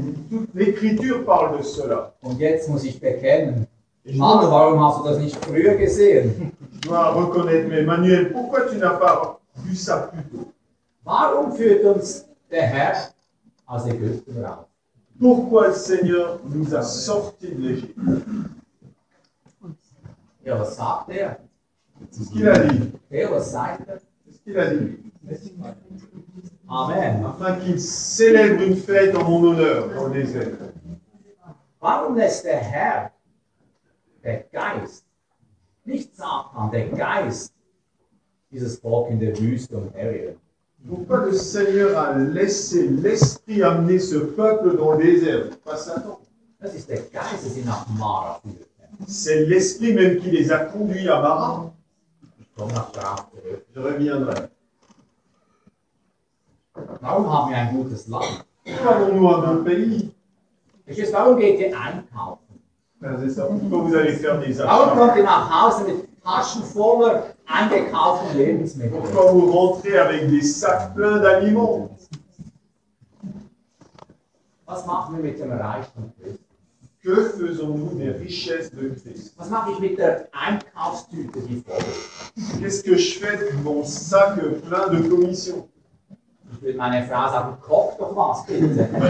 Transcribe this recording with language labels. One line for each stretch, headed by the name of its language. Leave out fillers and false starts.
French: toute l'Écriture parle de cela.
German: Und jetzt muss ich bekennen. Manu, warum hast du das nicht früher gesehen?
French: Je dois reconnaître, mais Manuel, pourquoi tu n'as pas vu ça plus tôt?
German: Warum führt uns der Herr aus Ägypten raus?
French: Pourquoi le Seigneur nous a sortis de l'Égypte?
German: Ja, was sagt er?
French: Was qu'il a dit?
German: Ja, was sagt er?
French: Was qu'il a dit? Amen. Afin qu'il célèbre une fête en mon honneur dans le désert.
German: Warum lässt der Herr, der Geist, nicht Satan, der Geist, dieses Volk in der Wüste umherirren?
French: Pourquoi le Seigneur a laissé l'Esprit amener ce peuple dans le désert? Pas Satan.
German: Das ist der Geist, der sie nach Mara führt.
French: C'est l'Esprit même qui les a conduits à Mara. Je reviendrai.
German: Warum haben wir ein gutes Land?
French: Pourquoi avons-nous un bon pays? Et juste,
German: warum geht ihr einkaufen?
French: C'est ça, pourquoi vous allez faire des achats?
German: Warum kommt ihr nach Hause mit Taschen voller eingekauften Lebensmittel?
French: Pourquoi vous rentrez avec des sacs pleins d'aliments?
German: Was machen wir mit dem Reichtum?
French: Que faisons-nous des richesses de Christ?
German: Was mache ich mit der Einkaufstüte, die voll ist?
French: Qu'est-ce que je fais de mon sac plein de commissions?
German: Ich will meine Frau sagen, koch doch was, bitte.